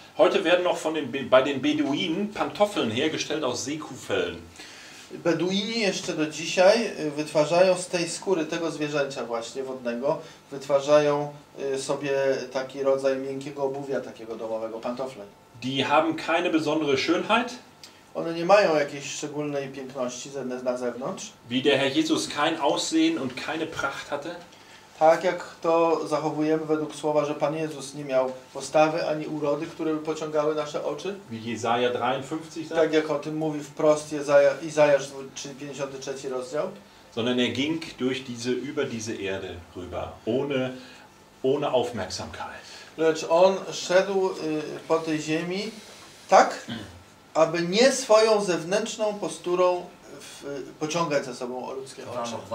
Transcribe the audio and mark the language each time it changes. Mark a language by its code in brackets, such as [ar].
[de] Heute werden noch bei den Beduinen Pantoffeln hergestellt aus Seekuhfellen. [pl] Beduini jeszcze do dzisiaj wytwarzają z tej skóry tego zwierzęcia właśnie wodnego, wytwarzają sobie taki rodzaj miękkiego obuwia takiego domowego, pantofle. [de] Die haben keine besondere Schönheit. [pl] One nie mają jakiejś szczególnej piękności na zewnątrz. [de] Wie der Herr Jesus kein Aussehen und keine Pracht hatte. [pl] Tak jak to zachowujemy według słowa, że Pan Jezus nie miał postawy ani urody, które by pociągały nasze oczy. [de] Wie Jesaja 53, [pl] tak? Tak jak o tym mówi wprost Izajasz 53 rozdział. [de] Sondern er ging durch diese, über diese Erde rüber, ohne Aufmerksamkeit. [pl] Lecz on szedł po tej ziemi tak, aby nie swoją zewnętrzną posturą pociągać za sobą ludzkie oczy.